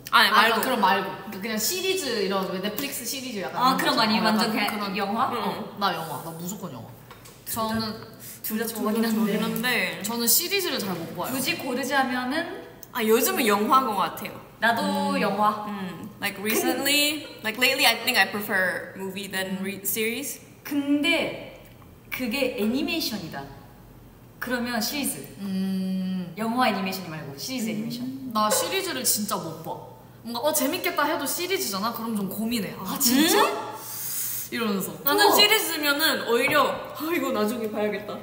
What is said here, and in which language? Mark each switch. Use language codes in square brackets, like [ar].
[ko] 아니, 말고. 아, 그럼 말고. 그러니까 그냥 시리즈 이런 왜 넷플릭스 시리즈 약간. 아, 그런 거 아니에요? 완전 그냥 그런... 영화? 응. 어. 나 영화. 나 무조건 영화. 저는 둘 다 좋아하긴 한데. 저는 시리즈를 잘 못 봐요. 굳이 고르자면은 아 요즘은 영화인 것 같아요. 나도 영화. [en] Like recently, [ko] 근데, [en] like lately, I think I prefer movie than series. [ko] 근데 그게 애니메이션이다. 그러면 시리즈. 영화 애니메이션 말고 시리즈 애니메이션. 나 시리즈를 진짜 못 봐. 뭔가 어 재밌겠다 해도 시리즈잖아. 그럼 좀 고민해. 아 진짜? 이러면서. 나는 시리즈면은 오히려 아 이거 나중에 봐야겠다.